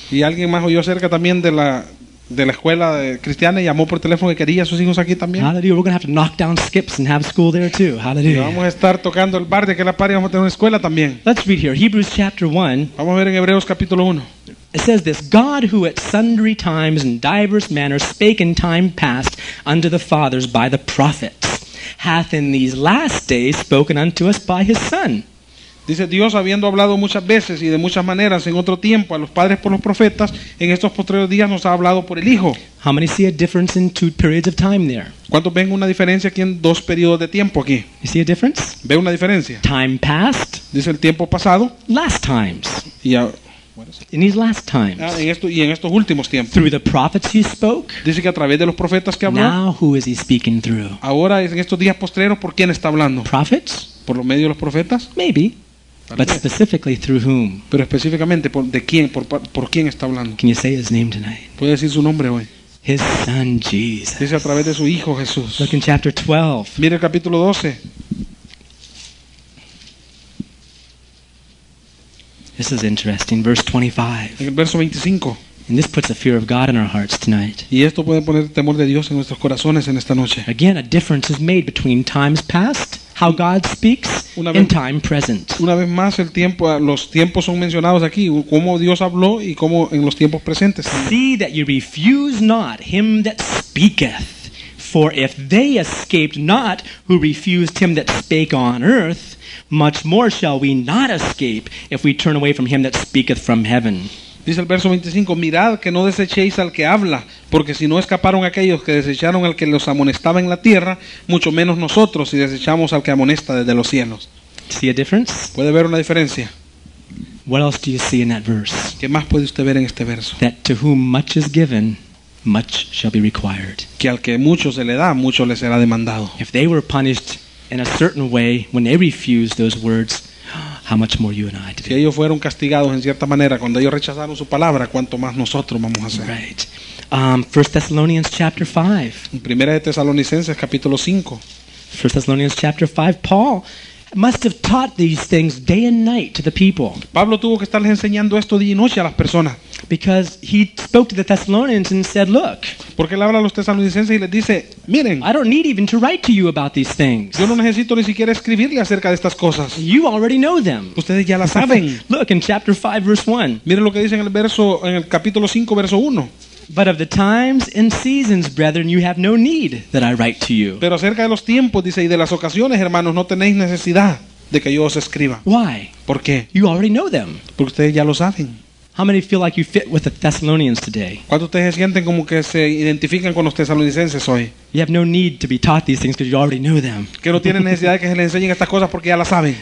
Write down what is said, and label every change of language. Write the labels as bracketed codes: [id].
[es] Y alguien más oyó cerca también de la escuela cristiana y llamó por teléfono que quería a sus hijos aquí también. [en] Hallelujah. We're going to have to knock down skips and have school there too. Hallelujah. [es] Y vamos a estar tocando el bar de que la pari vamos a tener una escuela también. [en] Let's read here. Hebrews chapter 1. [es] Vamos a ver en Hebreos capítulo 1. [en] It says this, God who at sundry times and diverse manners spake in time past unto the fathers by the prophets, hath in these last days spoken unto us by his Son. [es] Dice, Dios habiendo hablado muchas veces y de muchas maneras en otro tiempo a los padres por los profetas, en estos postreros días nos ha hablado por el Hijo. [en] How many see a difference in two periods of time there? [es] ¿Cuántos ven una diferencia aquí en dos periodos de tiempo aquí? [en] You see a difference? [es] ¿Ve una diferencia? [en] Time past. [es] Dice, el tiempo pasado. [en] Last times. [es] Y a, [en] in these last times. [es] Ah, en estos últimos tiempos. [en] Through the prophets he spoke. [es] Dice que a través de los profetas que habló. [en] Now who is he speaking through? [es] Ahora, en estos días postreros, ¿por quién está hablando? [en] Prophets? [es] ¿Por los medios de los profetas? [en] Maybe. But specifically through whom? [es] Pero específicamente de quién, por quién está hablando? [en] Can you say his name tonight? [es] ¿Puede decir su nombre hoy? [en] His Son Jesus. [es] Dice a través de su hijo Jesús. [en] Look in chapter 12. [es] Mire el capítulo 12. [en] This is interesting. Verse 25. [es] En el verso 25. [en] And this puts a fear of God in our hearts tonight. [es] Y esto puede poner temor de Dios en nuestros corazones en esta noche. [en] Again, a difference is made between times past. How God speaks in time present. [es] Una vez más el tiempo, los tiempos son mencionados aquí, cómo Dios habló y cómo en los tiempos presentes. [en] See that you refuse not him that speaketh, for if they escaped not who refused him that spake on earth, much more shall we not escape if we turn away from him that speaketh from heaven. [es] Dice el verso 25, mirad que no desechéis al que habla, porque si no escaparon aquellos que desecharon al que los amonestaba en la tierra, mucho menos nosotros si desechamos al que amonesta desde los cielos. [en] See a difference? [es] ¿Puede ver una diferencia? [en] What else do you see in that verse? [es] ¿Qué más puede usted ver en este verso? [en] That to whom much is given, much shall be required. [es] Que al que mucho se le da, mucho le será demandado. [en] If they were punished in a certain way when they refused those words, how much more you and I to be. [es] Si ellos fueron castigados en cierta manera cuando ellos rechazaron su palabra, cuánto más nosotros vamos a ser. [en] Right. 1 Thessalonians chapter 5. [es] Primera de Tesalonicenses capítulo 5. [en] 1 Thessalonians chapter 5. Paul must have taught these things day and night to the people. [es] Pablo tuvo que estarles enseñando esto día y noche a las personas. [en] Because he spoke to the Thessalonians and said, look. [es] Porque él habla a los tesalonicenses y les dice, miren. [en] I don't need even to write to you about these things. [es] Yo no necesito ni siquiera escribirle acerca de estas cosas. [en] You already know them. [es] Ustedes ya las saben. [en] Look in chapter 5 verse 1. [es] Miren lo que dice en el verso en el capítulo 5 verso 1. [en] But of the times and seasons, brethren, you have no need that I write to you. [es] Pero acerca de los tiempos, dice, y de las ocasiones, hermanos, no tenéis necesidad de que yo os escriba. [en] Why? [es] ¿Por qué? [en] You already know them. [es] Porque ustedes ya lo saben. [en] How many feel like you fit with the Thessalonians today? [es] ¿Cuántos ustedes sienten como que se identifican con los tesalonicenses hoy? [en] You have no need to be taught these things because you already know them. [es] Que no tienen necesidad de que se les enseñen estas cosas porque ya las saben.